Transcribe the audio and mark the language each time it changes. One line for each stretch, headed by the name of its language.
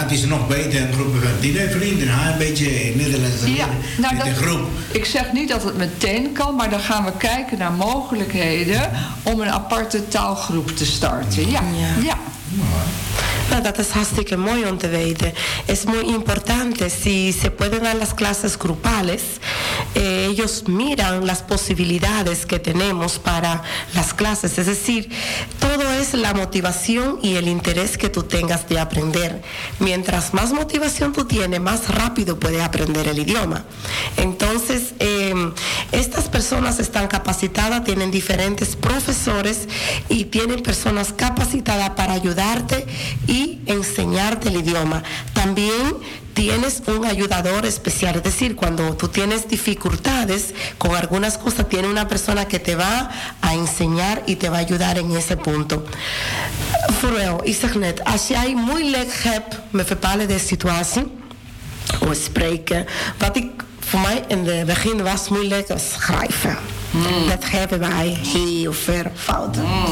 Dutch: Dat is nog beter, een groep van 10 vrienden. Een beetje Nederlands met de groep. Ik zeg niet dat het meteen kan, maar dan gaan we kijken naar mogelijkheden om een aparte taalgroep te starten. Ja. Nou, dat is hartstikke mooi om te weten. Het is heel belangrijk om te gaan naar de klassen groepales.
Spanish: Ellos miran las posibilidades que tenemos para las clases. Es decir, todo es la motivación y el interés que tú tengas de aprender. Mientras más motivación tú tienes, más rápido puedes aprender el idioma. Entonces, estas personas están capacitadas, tienen diferentes profesores y tienen personas capacitadas para ayudarte y enseñarte el idioma. También tienes un ayudador especial, es decir, cuando tú tienes dificultades con algunas cosas, tiene una persona que te va a enseñar y te va a ayudar en ese punto.
Dutch: Vooral, ik zeg net, als jij moeilijk hebt met bepaalde de situatie, of spreken, wat ik voor mij in het begin was moeilijk, was schrijven. Dat hebben wij heel ver fouten.